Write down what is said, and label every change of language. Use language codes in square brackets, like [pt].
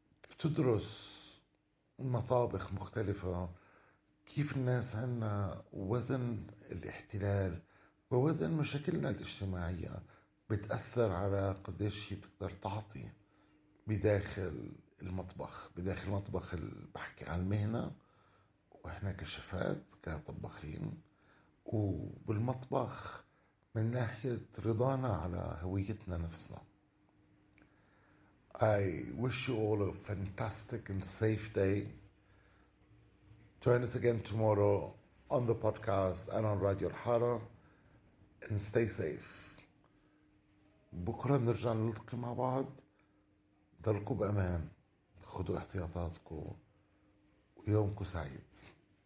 [ar] بتدرس مطابخ مختلفة، كيف الناس عنا وزن الاحتلال ووزن مشاكلنا الاجتماعية بتأثر على قديش هي بتقدر تعطي بداخل المطبخ، بداخل المطبخ اللي بحكي عن المهنة وإحنا كشفات كطبخين، وبالمطبخ من ناحية رضانا على هويتنا نفسنا. [en] I wish you all a fantastic and safe day. Join us again tomorrow on the podcast and on Radio Al-Hara, and stay safe. [ar] بكرة نرجع نلتقي مع بعض. ضلكوا بأمان، خذوا احتياطاتكم ويومكم سعيد.